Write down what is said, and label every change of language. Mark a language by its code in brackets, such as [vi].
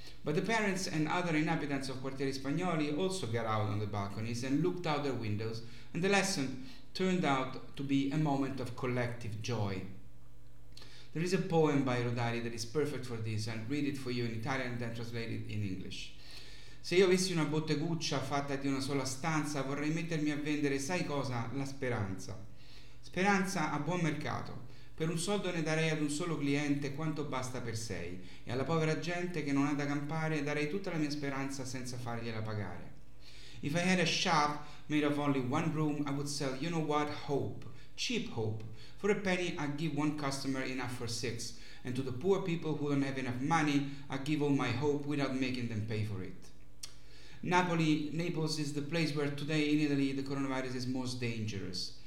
[en] But the parents and other inhabitants of Quartieri Spagnoli also got out on the balconies and looked out their windows, and the lesson turned out to be a moment of collective joy. There is a poem by Rodari that is perfect for this. I'll read it for you in Italian, then translate it in English. [it] Se io avessi una botteguccia fatta di una sola stanza, vorrei mettermi a vendere, sai cosa? La speranza. Speranza a buon mercato. Per un soldo ne darei ad un solo cliente quanto basta per sei, e alla povera gente che non ha da campare darei tutta la mia speranza senza fargliela pagare. [en] If I had a shop made of only one room, I would sell, you know what, hope, cheap hope. For a penny, I'd give one customer enough for six, and to the poor people who don't have enough money, I'd give all my hope without making them pay for it. Naples is the place where today in Italy the coronavirus is most dangerous.